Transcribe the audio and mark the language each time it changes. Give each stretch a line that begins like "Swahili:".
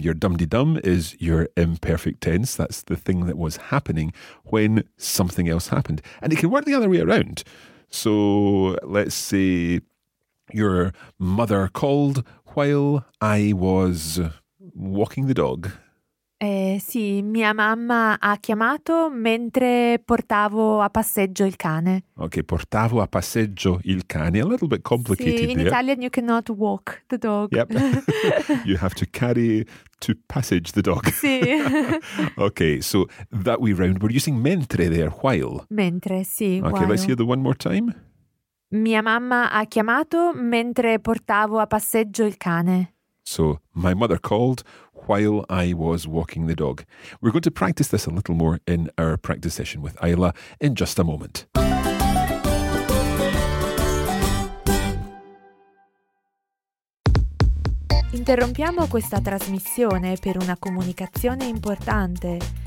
English: Your dum-de-dum is your imperfect tense. That's the thing that was happening when something else happened. And it can work the other way around. So, let's say your mother called while I was walking the dog.
Italian: Sì, mia mamma ha chiamato mentre portavo a passeggio il cane. Ok, portavo a passeggio il cane.
English: A little bit complicated there.
Italian: Sì,
English: in Italian you cannot walk the dog. Yep. You have to carry to passage the dog.
Italian: Sì.
English: Ok, so that way round, we're using mentre there, while.
Italian: Mentre, sì,
English: okay, while. Ok, let's hear the one more time.
Italian: Mia mamma ha chiamato mentre portavo a passeggio il cane.
English: So, my mother called while I was walking the dog. We're going to practice this a little more in our practice session with Ayla in just a moment.
Italian: Interrompiamo questa trasmissione per una comunicazione importante.